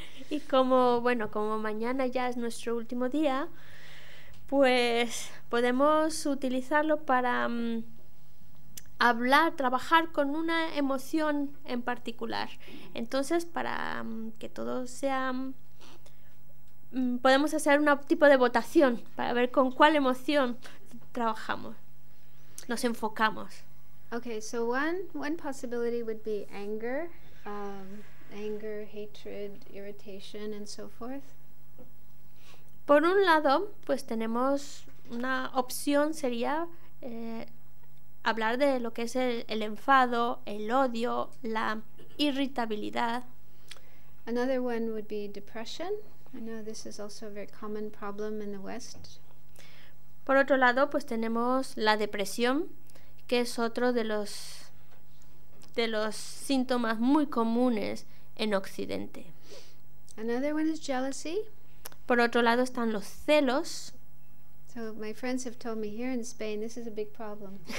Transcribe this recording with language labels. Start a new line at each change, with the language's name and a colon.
Spanish: Y como, bueno, como mañana ya es nuestro último día, pues podemos utilizarlo para hablar, trabajar con una emoción en particular. Entonces, para que todo sea, podemos hacer un tipo de votación para ver con cuál emoción trabajamos, nos enfocamos.
English: Okay, so one possibility would be anger, anger, hatred, irritation, and so forth.
Spanish: Por un lado, pues tenemos una opción, sería hablar de lo que es el enfado, el odio, la irritabilidad.
English: Another one would be depression. I know this is also a very common problem in the West.
Spanish: Por otro lado, pues tenemos la depresión, que es otro de los síntomas muy comunes en Occidente.
English: Another one is jealousy.
Spanish: Por otro lado están los celos.
English: So my friends have told me here in Spain this is a big problem.